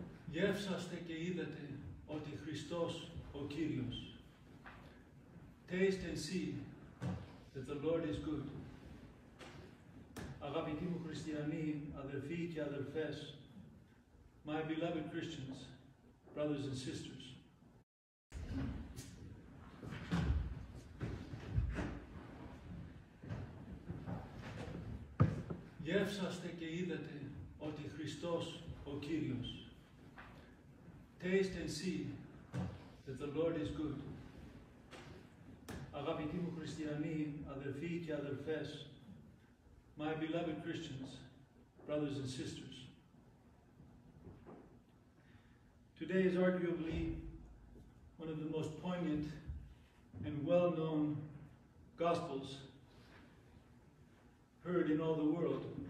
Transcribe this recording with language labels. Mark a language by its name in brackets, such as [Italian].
[Greek] Γεύσαστε και είδατε ότι Χριστός ο Κύριος. [English] Taste and see that the Lord is good. [Greek] Αγαπητοί μου χριστιανοί, αδερφοί και αδερφές, [English] my beloved Christians, brothers and sisters, [Greek] γεύσαστε και είδατε ότι Χριστός ο Κύριος. [English] Taste and see that the Lord is good. [Greek] Αγαπητοί μου χριστιανοί, αδερφοί και αδερφές, [English] my beloved Christians, brothers and sisters, today is arguably one of the most poignant and well-known gospels heard in all the world.